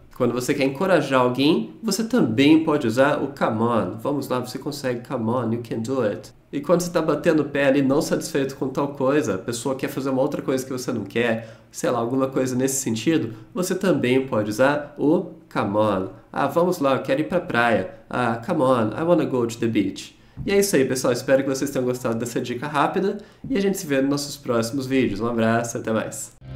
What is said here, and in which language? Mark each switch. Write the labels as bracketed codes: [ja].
[pt] Quando você quer encorajar alguém, você também pode usar o come on. Vamos lá, você consegue, [en] come on, you can do it. [pt] E quando você está batendo o pé ali, não satisfeito com tal coisa, a pessoa quer fazer uma outra coisa que você não quer, sei lá, alguma coisa nesse sentido, você também pode usar o come on. Ah, vamos lá, eu quero ir pra praia. [en] Ah, come on, I wanna go to the beach. [pt] E é isso aí, pessoal. Espero que vocês tenham gostado dessa dica rápida. E a gente se vê nos nossos próximos vídeos. Um abraço, até mais.